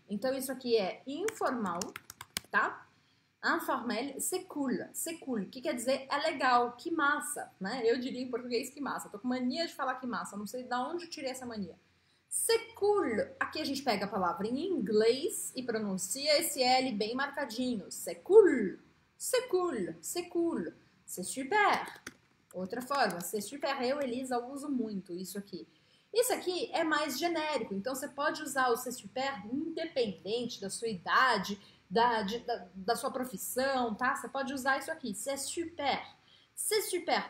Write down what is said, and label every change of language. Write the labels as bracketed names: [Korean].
[Portuguese] Então isso aqui é informal, tá? [French] Informel, c'est cool. C'est cool, [Portuguese] que quer dizer é legal, que massa, né? Eu diria em português que massa. Tô com mania de falar que massa. Não sei de onde eu tirei essa mania. [French] C'est cool. [Portuguese] Aqui a gente pega a palavra em inglês e pronuncia esse L bem marcadinho. [French] C'est cool. C'est cool, c'est cool, c'est super. [Portuguese] Outra forma, [French] c'est super, [Portuguese] eu, Elisa, uso muito isso aqui. Isso aqui é mais genérico, então você pode usar o [French] c'est super [Portuguese] independente da sua idade, da sua profissão, tá? Você pode usar isso aqui. [French] C'est super. C'est super.